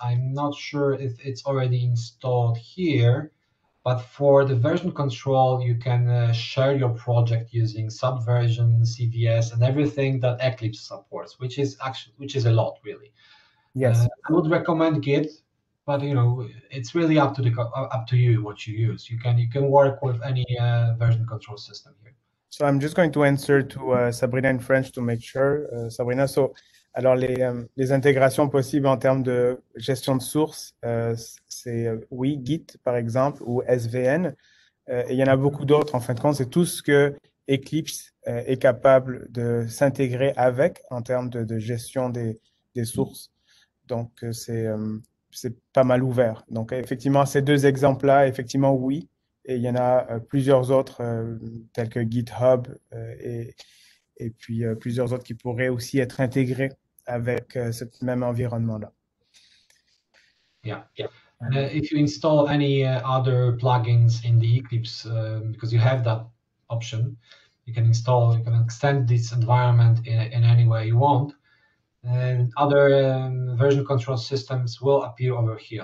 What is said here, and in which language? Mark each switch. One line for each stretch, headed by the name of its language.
English: I'm not sure if it's already installed here, but for the version control, you can share your project using Subversion, CVS, and everything that Eclipse supports, which is a lot, really. Yes. I would recommend Git. But it's really up to you what you use. You can work with any version control system here. So I'm just going to answer to Sabrina in French to make sure, Sabrina.
French: So, alors les intégrations possibles en termes de gestion de source, c'est Git par exemple ou SVN. Et il y en a beaucoup d'autres. En fin de compte, c'est tout ce que Eclipse est capable de s'intégrer avec en termes de gestion des sources. Donc, c'est pas mal ouvert. Donc, effectivement, ces deux exemples-là, effectivement, oui. Et il y en a plusieurs autres, tels que GitHub et puis plusieurs autres qui pourraient aussi être intégrés avec ce même environnement-là.
English: Yeah. If you install any other plugins in the Eclipse, because you have that option, you can install, you can extend this environment in any way you want. And other version control systems will appear over here.